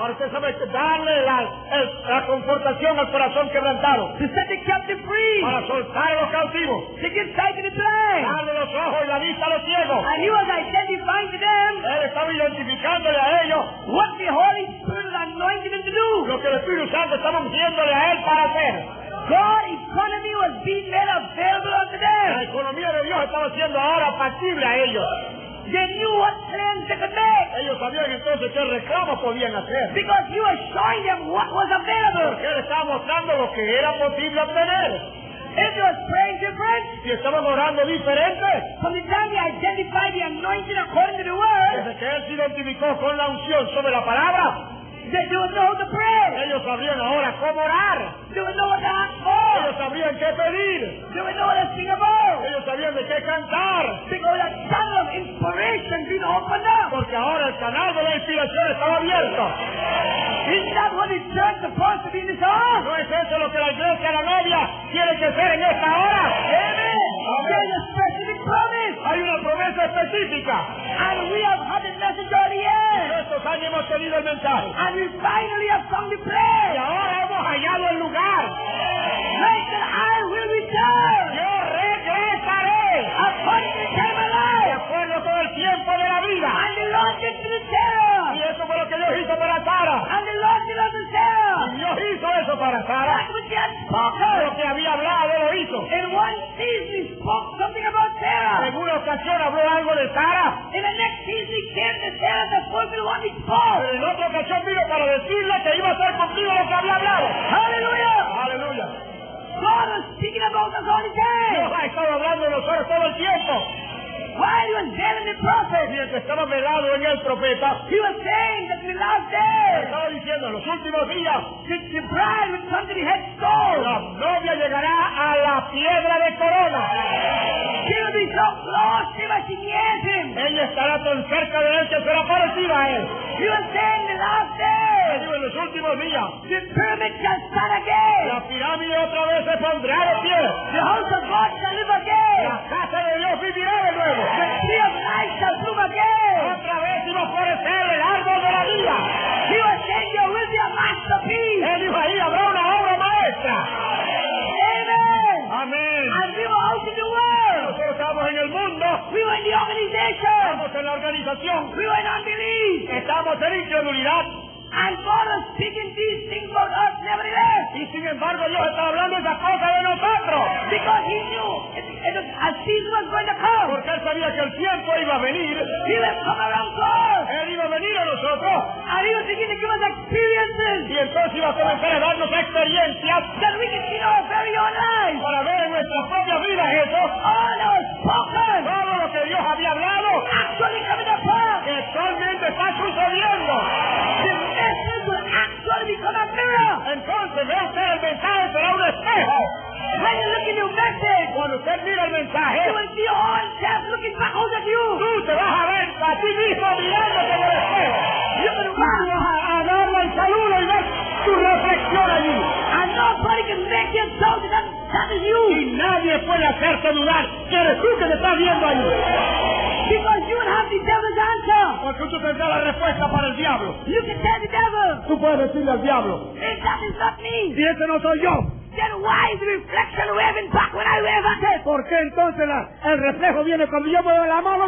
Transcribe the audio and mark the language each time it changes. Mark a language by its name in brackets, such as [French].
[Spanish] Para usted saber que darle la confortación al corazón quebrantado. [English] To set the captive free. [Spanish] Para soltar a los cautivos. [English] To give sight to the blind. [Spanish] Darle los ojos y la vista a los ciegos. [English] And he was identifying to them. [Spanish] Él estaba identificándole a ellos. [English] What the Holy Spirit anointed him to do. [Spanish] Lo que el Espíritu Santo estaba ungiéndole a él para hacer. [English] God is economy was being made available unto them. [Spanish] La economía de Dios estaba siendo ahora factible a ellos. [English] They knew what plans they could make. [Spanish] Ellos sabían entonces qué reclamos podían hacer. [English] Because he was showing them what was available. [Spanish] Porque él estaba mostrando lo que era posible obtener. [English] If he was praying different, [Spanish] si estaban orando diferente, [English] from the time he identified the anointing according to the word, [Spanish] desde que él se identificó con la unción sobre la palabra, [English] they knew how to pray. [Spanish] Ellos sabrían ahora cómo orar. [English] They would know what to ask for. [Spanish] Ellos sabrían qué pedir. [English] They would know what to sing about. [Spanish] Ellos sabrían de qué cantar. [English] Because the channel of inspiration being opened up. [Spanish] Porque ahora el canal de la inspiración estaba abierto. [English] Isn't that what the church is supposed to be in this hour? [Spanish] ¿No es eso lo que la iglesia la media tiene que ser en esta hora? [English] There's a specific promise. [Spanish] Hay una promesa específica. [English] And we have had the message already. [Spanish] Estos años hemos tenido el mensaje. [English] And we finally have found the place. [Spanish] Y ahora hemos hallado el lugar. [English] Make that I will return. [Spanish] Yo regresaré. [English] According to the time of life. [Spanish] De acuerdo con el tiempo de la vida. [English] And the Lord did to the [Spanish] Y eso fue lo que Dios hizo para Sara. [English] And the Lord did unto Sarah. [Spanish] Y Dios hizo eso para Sara. Lo que había hablado lo hizo. [English] In one season he spoke something about Sarah. [Spanish] En una ocasión habló algo de Sara. [English] In the next season he came to Sarah to fulfill what he spoke. [Spanish] En otra ocasión vino para decirle que iba a ser cumplido lo que había hablado. Hallelujah. Hallelujah. [English] God was speaking about us all the day. [Spanish] Dios ha estado hablando de nosotros todo el tiempo. [English] While he was telling the prophet, [Spanish] estaba velado en el profeta, [English] he was saying that in the last days, [Spanish] estaba diciendo en los últimos días, [English] the bride would come to the headstone. [Spanish] La novia llegará a la piedra de corona. [English] She will be so close to him as she nears him. [Spanish] Ella estará tan cerca de él que será parecida a él. [English] He was saying in the last days, [Spanish] en los últimos días, [English] the pyramid shall stand again. [Spanish] La pirámide otra vez se pondrá de pie. [English] The house of God shall live again. [Spanish] La casa de Dios vivirá de nuevo. [English] The tree of life shall bloom again. [Spanish] Otra vez iba a florecer el árbol de la vida. [English] He was saying there will be a masterpiece. [Spanish] Él dijo ahí habrá una obra maestra. Amen. Amen. [English] And we were out in the world. [Spanish] Nosotros estábamos en el mundo. [English] We were in the organization. [Spanish] Estamos en la organización. [English] We were in unbelief. [Spanish] Estamos en incredulidad. [English] And God was speaking these things about us nevertheless. [Spanish] Y sin embargo Dios estaba hablando esas cosas de nosotros. [English] Because he knew a season was going to come. [Spanish] Porque él sabía que el tiempo iba a venir. [English] He would come around us. [Spanish] Él iba a venir a nosotros. [English] And he was beginning to give us experiences. [Spanish] Y entonces iba a comenzar a darnos experiencias. [English] That we could see in our very own lives. [Spanish] Para ver en nuestra propia vida eso. [English] All that was spoken. [Spanish] Todo lo que Dios había hablado. [English] Actually coming to pass. [Spanish] Que actualmente está sucediendo. Entonces, ve usted el mensaje será un espejo. [English] When you look in your message, [Spanish] cuando usted mira el mensaje, [English] you will see all self looking back out at you. [Spanish] Tú te vas a ver a ti mismo mirándote en el espejo. [English] You can run. [Spanish] Vas a darle el saludo y ves tu reflexión allí. [English] And nobody can make you doubt that that is you. [Spanish] Y nadie puede hacerte dudar que eres tú que te estás viendo allí. [English] Because you will have the devil's answer. [Spanish] Porque tú tendrás la respuesta para el diablo. [English] You can tell the devil. [Spanish] Tú puedes decirle al diablo. [English] If that is not me. [Spanish] Si ese no soy yo. [English] Then why is the reflection waving back when I wave at it? [Spanish] ¿Por qué entonces el reflejo viene cuando yo muevo la mano?